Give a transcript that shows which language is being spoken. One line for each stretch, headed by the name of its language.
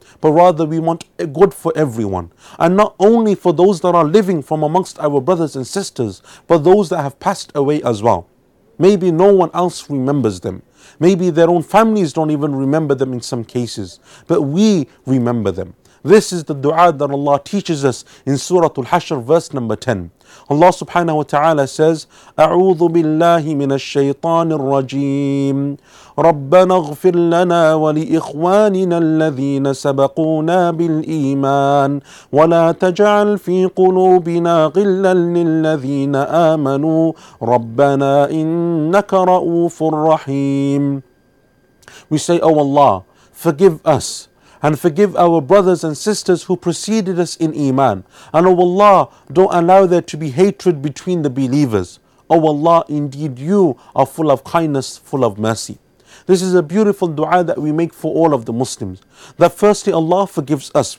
English: But rather we want good for everyone. And not only for those that are living from amongst our brothers and sisters, but those that have passed away as well. Maybe no one else remembers them. Maybe their own families don't even remember them in some cases. But we remember them. This is the dua that Allah teaches us in Surah Al-Hashr, verse number 10. Allah subhanahu wa ta'ala says,
Arabic: أعوذ بالله من الشيطان الرجيم ربنا اغفر لنا ولإخواننا الذين سبقونا بالإيمان ولا تجعل في قلوبنا غلا للذين آمنوا ربنا إنك رؤوف رحيم.
English: We say, oh Allah, forgive us and forgive our brothers and sisters who preceded us in iman. And O Allah, don't allow there to be hatred between the believers. O Allah, indeed you are full of kindness, full of mercy. This is a beautiful dua that we make for all of the Muslims. That firstly, Allah forgives us.